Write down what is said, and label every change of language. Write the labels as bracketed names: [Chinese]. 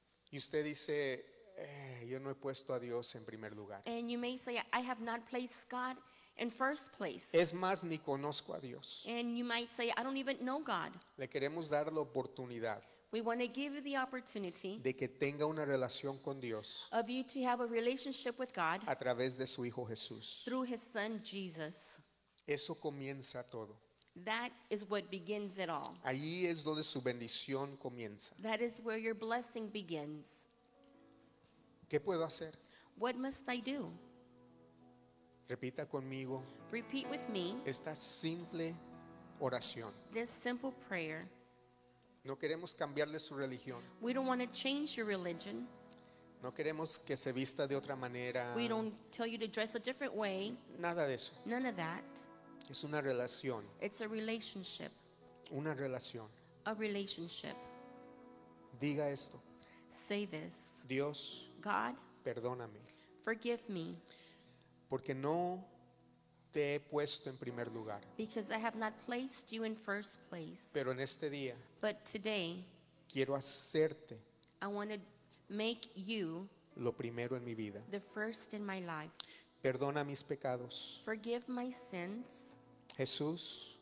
[Spanish] Y usted dice, yo no he puesto a Dios en primer lugar. [English] And you may say, I have not placed God in first place. [Spanish] Es más, ni conozco a Dios. [English] And you might say, I don't even know God. [Spanish] Le queremos dar la oportunidad. [English] We want to give you the opportunity. [Spanish] De que tenga una relación con Dios. [English] Of you to have a relationship with God. [Spanish] A través de su Hijo Jesús. [English] Through his son Jesus. [Spanish] Eso comienza todo. [English] That is what begins it all. [Spanish] Allí es donde su bendición comienza. [English] That is where your blessing begins. [Spanish] ¿Qué puedo hacer? [English] What must I do? [Spanish] Repita conmigo. [English] Repeat with me. [Spanish] Esta simple oración. [English] This simple prayer. [Spanish] No queremos cambiarle su religión. [English] We don't want to change your religion. [Spanish] No queremos que se vista de otra manera. [English] We don't tell you to dress a different way. [Spanish] Nada de eso. [English] None of that. [Spanish] Es una relación. [English] It's a relationship. [Spanish] Una relación. [English] A relationship. [Spanish] Diga esto. [English] Say this. [Spanish] Dios. [English] God. [Spanish] Perdóname. [English] Forgive me. [Spanish] Porque no te he puesto en primer lugar. [English] Because I have not placed you in first place. [Spanish] Pero en este día. [English] But today. [Spanish] Quiero hacerte. [English] I want to make you. [Spanish] Lo primero en mi vida. [English] The first in my life. [Spanish] Perdona mis pecados. [English] Forgive my sins. [Spanish] Jesús.